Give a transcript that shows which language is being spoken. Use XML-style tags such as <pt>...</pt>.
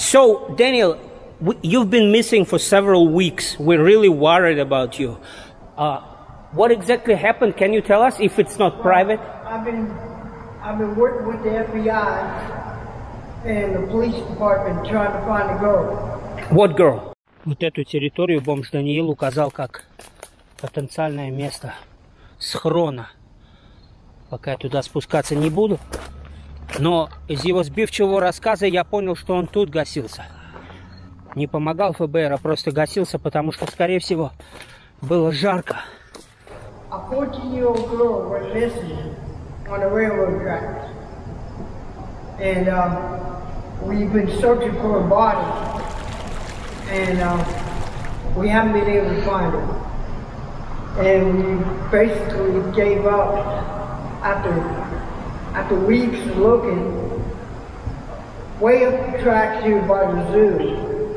<en>So, Daniel, you've been missing for several weeks. We're really worried about you. What exactly happened? Can you tell us if it's not private? I've been working with the FBI and the police department trying to find a girl. What girl?</en> <ru>Вот эту территорию бомж Даниил указал как потенциальное место схрона. Пока я туда спускаться не буду. Но из его сбивчивого рассказа я понял, что он тут гасился. Не помогал ФБР, а просто гасился, потому что, скорее всего, было жарко.</ru> <en>A 14-year-old girl was missing on the railroad tracks. And we've been searching for her body. And we haven't been able to find her. And we basically gave up after weeks of looking way up the tracks here by the zoo.</en>